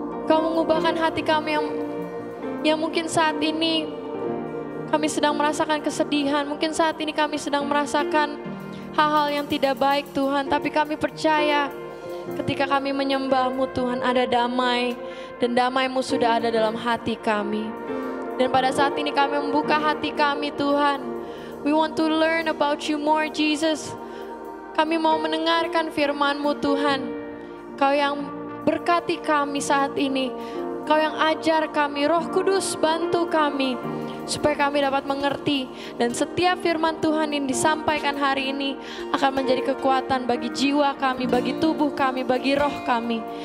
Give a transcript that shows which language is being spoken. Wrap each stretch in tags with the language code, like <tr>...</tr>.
<id>Kau mengubahkan hati kami yang mungkin saat ini kami sedang merasakan kesedihan. Mungkin saat ini kami sedang merasakan hal-hal yang tidak baik Tuhan. Tapi kami percaya ketika kami menyembah-Mu Tuhan ada damai. Dan damai-Mu sudah ada dalam hati kami. Dan pada saat ini kami membuka hati kami Tuhan.</id> <en>We want to learn about You more Jesus.</en> <id>Kami mau mendengarkan firman-Mu Tuhan. Kau yang berkati kami saat ini. Kau yang ajar kami. Roh Kudus bantu kami. Supaya kami dapat mengerti. Dan setiap firman Tuhan yang disampaikan hari ini akan menjadi kekuatan bagi jiwa kami, bagi tubuh kami, bagi roh kami.</id>